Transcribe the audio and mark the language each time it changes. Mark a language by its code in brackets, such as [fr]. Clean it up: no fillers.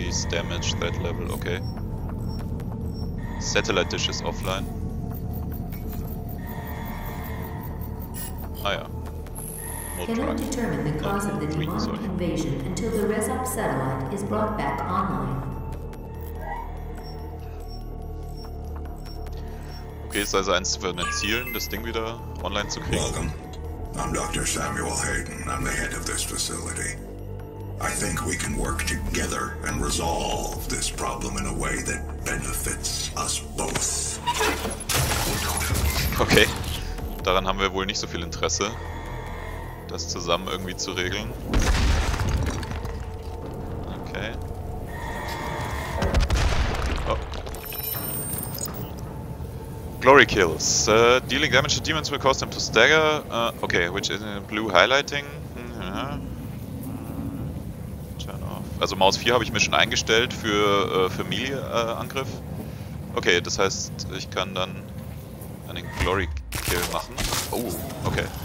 [en] Damage, Threat Level, okay. Satellite Dish ist offline. [de] Ah ja. [en] Cannot determine the cause of the demonic invasion until the Resop satellite is brought back online. [de] Okay, ist also eins von den Zielen, das Ding wieder online zu kriegen. [en] Welcome. I'm Dr. Samuel Hayden. I'm the head of this facility. I think we can work together and resolve this problem in a way that benefits us both. [de] Okay, daran haben wir wohl nicht so viel Interesse, das zusammen irgendwie zu regeln. Okay. [en] Glory kills. Dealing damage to demons will cause them to stagger. Okay, which is in blue highlighting. Turn off. [de] Also Maus 4 habe ich mir schon eingestellt für Familie-Angriff. Okay, das heißt, ich kann dann einen Glory Kill machen. Oh, okay.